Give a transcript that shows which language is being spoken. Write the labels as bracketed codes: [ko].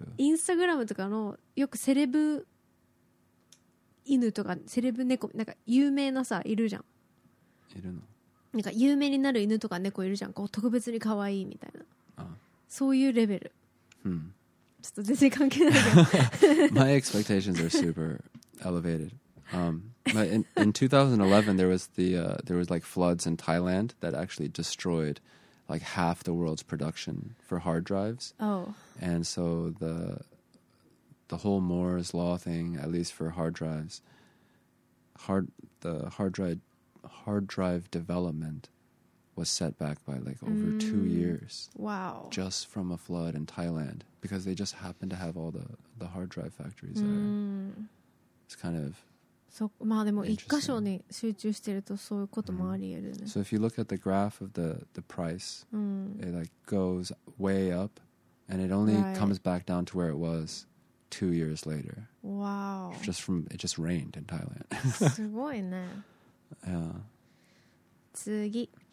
[ja] インスタグラムとかのよくセレブ犬とかセレブ猫なんか有名なさいるじゃん。いるの。なんか有名になる犬とか猫いるじゃん。こう特別に可愛いみたいな。ああそういうレベル。 Hmm. ちょっと全然関係ないけど。 [en] My expectations are super elevated. But in 2011, there was like floods in Thailand that actually destroyed like half the world's production for hard drives. Oh. And so the whole Moore's Law thing, at least for hard drives, the hard drive development. Was set back by like over 2 years. Wow. Just from a flood in Thailand. Because they just happened to have all the hard drive factories there. It's kind of. So, [ja] まあでも一箇所に集中してるとそういうこともあり得るね。 [en] So, if you look at the graph of the price, it like goes way up and it only comes back down to where it was 2 years later. Wow. Just from, it just rained in Thailand. [ja] すごいね。 [en] Yeah. [ja] 次。